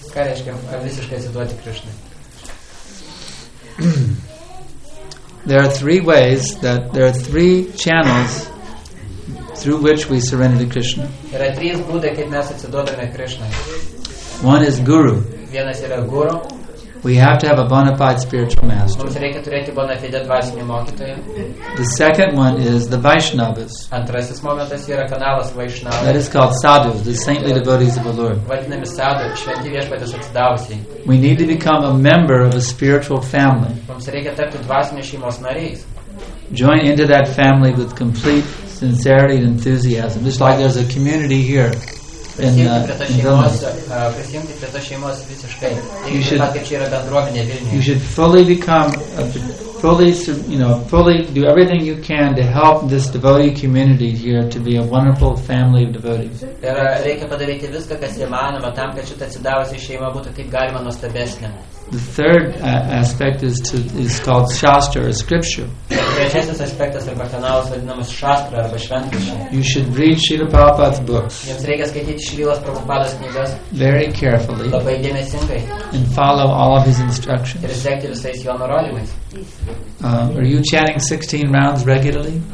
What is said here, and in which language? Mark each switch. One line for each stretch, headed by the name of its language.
Lithuanian: Ką reiškia visiškai atsiduoti Krishna?
English: There are three ways that there are three channels through which we surrender to Krishna.
Lithuanian: Yra trys būdai, kaip mes atsiduodame Krishna.
English: One is guru.
Lithuanian: Vienas yra guru.
English: We have to have a bona fide spiritual master.
Lithuanian: Mums reikia turėti bona fide dvasinį mokytoją.
English: The second one is the Vaishnavas.
Lithuanian: Antrasis momentas yra kanalas Vaishnava.
English: That is called sadhu, the saintly devotees of the Lord.
Lithuanian: Vadinami sadhu, šventi viešpaties atsidavusiai.
English: We need to become a member of a spiritual family.
Lithuanian: Mums reikia tapti dvasinės šeimos nariais.
English: Join into that family with complete sincerity and enthusiasm. Just like there's a community here. In you should fully become a fully, you know, fully do everything you can to help this devotee community here to be a wonderful family of devotees.
Lithuanian: Ir reikia padaryti viską, kas įmanoma, tam, kad šita atsidavusi šeima būtų kaip galima nuostabesnė.
English: The third aspect is called shastra or scripture.
Lithuanian: Trečiasis aspektas arba kanalas vadinamas šastra arba šventraščiai.
English: You should read Srila Prabhupada's books.
Lithuanian: Jums reikia skaityti Srilos Prabhupados knygas.
English: Very carefully.
Lithuanian: Labai dėmesingai.
English: And follow all of his instructions.
Lithuanian: Ir sekti visais jo nurodymais.
English: Are you chanting 16 rounds regularly?